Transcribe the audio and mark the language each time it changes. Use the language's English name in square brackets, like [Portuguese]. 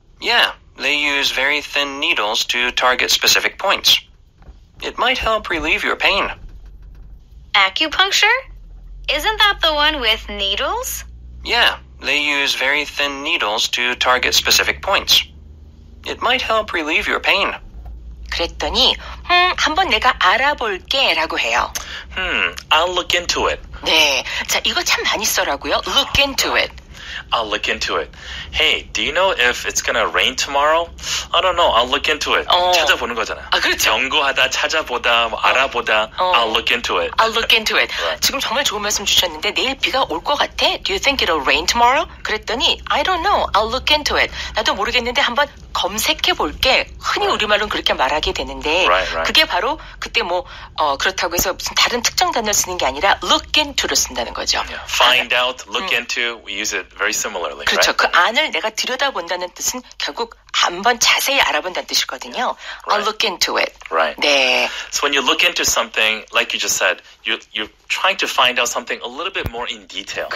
[English] Yeah, they use very thin needles to target specific points. It might help relieve your pain. Acupuncture? Isn't that the one with needles? Yeah, they use very thin needles to target specific points. It might help relieve your pain. [Korean] 그랬더니 한번 내가 알아볼게라고 해요. [English] I'll look into it. [Korean] 네, 자 이거 참 많이 써라고요. [English] Look into it. I'll look into it. Hey, do you know if it's gonna rain tomorrow? I don't know. I'll look into it. [Korean] 찾아보는 거잖아. 아 그렇죠. 연구하다, 찾아보다, 뭐 알아보다. [English] I'll look into it. I'll look into it. [Korean] 지금 정말 좋은 말씀 주셨는데 내일 비가 올 것 같아? [English] Do you think it'll rain tomorrow? 그랬더니 I don't know. I'll look into it. [Korean] 나도 모르겠는데 한번 검색해 볼게. [English] 흔히 right. [Korean] 우리말로는 그렇게 말하게 되는데 [English] right, right. [Korean] 그게 바로 그때 뭐 그렇다고 해서 무슨 다른 특정 단어를 쓰는 게 아니라 look into를 쓴다는 거죠. [English] Yeah. Find out, look into, we use it very similarly. [Korean] 그렇죠. [English] Right? [Korean] 그 안을 내가 들여다본다는 뜻은 결국 한번 자세히 알아본다는 뜻이거든요. [English] Right. I'll look into it. Right. [Korean] 네. [English] So when you look into something, like you just said, you're trying to find out something a little bit more in detail.